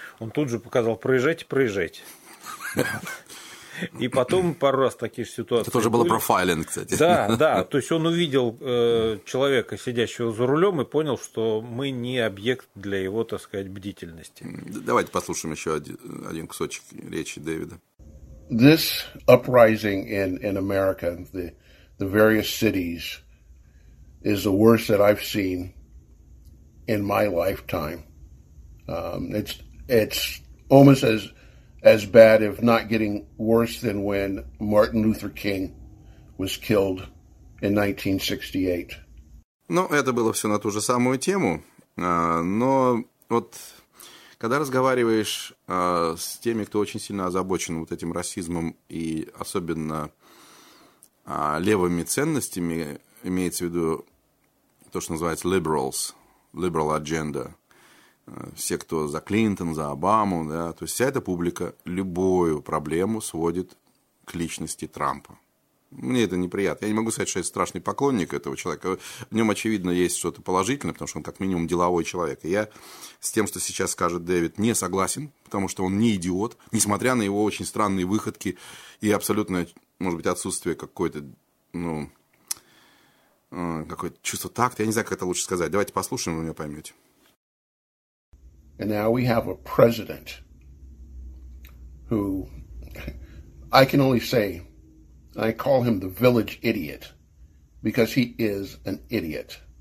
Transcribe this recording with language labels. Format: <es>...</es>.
<ru>Он тут же показал: проезжайте, проезжайте. И потом пару раз такие же ситуации. Это тоже было профайлинг, кстати. Да, да. То есть он увидел человека, сидящего за рулем, и понял, что мы не объект для его, так сказать, бдительности. Давайте послушаем еще один кусочек речи Дэвида.</ru> <en>This uprising in America, the various cities, is the worst that I've seen in my lifetime. It's almost as bad, if not getting worse, than when Martin Luther King was killed in 1968.</en> <ru>Ну, это было все на ту же самую тему, но вот когда разговариваешь с теми, кто очень сильно озабочен вот этим расизмом и особенно левыми ценностями, имеется в виду то, что называется liberals, liberal agenda, все, кто за Клинтон, за Обаму, да, то есть вся эта публика любую проблему сводит к личности Трампа. Мне это неприятно. Я не могу сказать, что я страшный поклонник этого человека. В нем, очевидно, есть что-то положительное, потому что он, как минимум, деловой человек. И я с тем, что сейчас скажет Дэвид, не согласен, потому что он не идиот, несмотря на его очень странные выходки и абсолютное, может быть, отсутствие какой-то, ну, какое-то чувство такта. Я не знаю, как это лучше сказать. Давайте послушаем, вы меня поймете.</ru> <en>And now we have a president who, I can only say, I call him the village idiot, because he is an idiot.</en>